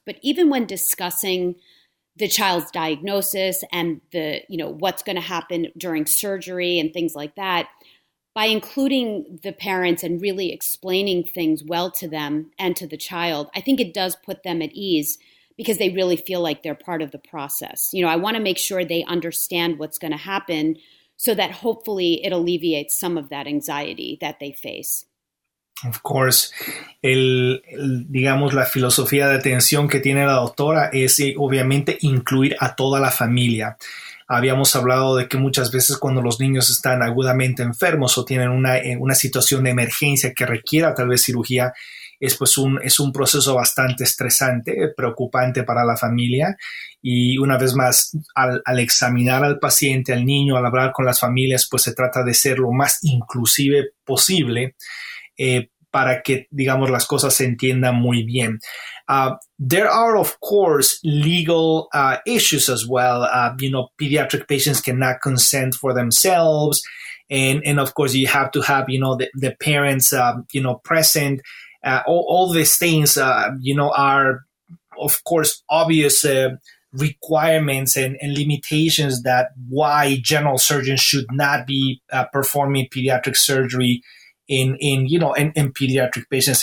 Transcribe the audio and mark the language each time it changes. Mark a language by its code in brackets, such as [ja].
[en] But even when discussing the child's diagnosis and the, you know, what's going to happen during surgery and things like that, by including the parents and really explaining things well to them and to the child, I think it does put them at ease because they really feel like they're part of the process. You know, I want to make sure they understand what's going to happen so that hopefully it alleviates some of that anxiety that they face. Of course, [es] digamos, la filosofía de atención que tiene la doctora es obviamente incluir a toda la familia. Habíamos hablado de que muchas veces cuando los niños están agudamente enfermos o tienen una situación de emergencia que requiera tal vez cirugía, es un proceso bastante estresante, preocupante para la familia. Y una vez más, al examinar al paciente, al niño, al hablar con las familias, pues se trata de ser lo más inclusive posible. Para que, digamos, las cosas se entiendan muy bien. [en] There are, of course, legal issues as well. You know, pediatric patients cannot consent for themselves. And of course, you have to have, you know, the parents, you know, present. All these things, you know, are, of course, obvious requirements and limitations that why general surgeons should not be performing pediatric surgery in pediatric patients.